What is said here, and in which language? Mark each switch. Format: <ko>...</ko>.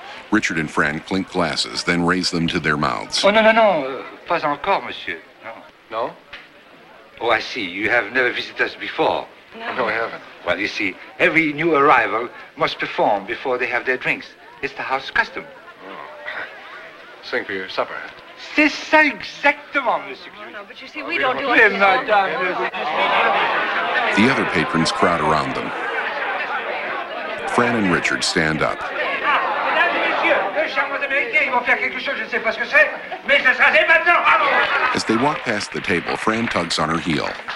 <en>Richard and Fran clink glasses, then raise them to their mouths. Oh, no.</en> <fr>Pas encore, monsieur.</fr> <en>No? Oh, I see. You have never visited us before. No, I haven't. Well, you see, every new arrival must perform before they have their drinks. It's the house custom. Oh. Sing for your supper.</en> <fr>C'est ça exactement, monsieur.</fr> <en>No, but you see, we don't do it. We're not done. The other patrons crowd around them. Fran and Richard stand up.</en> <fr>Madame, monsieur, charmants américains. Ils vont faire quelque chose, je ne sais pas ce que c'est, mais ce sera dès maintenant. Bravo.</fr> <en>As they walk past the table, Fran tugs on her heel.</en>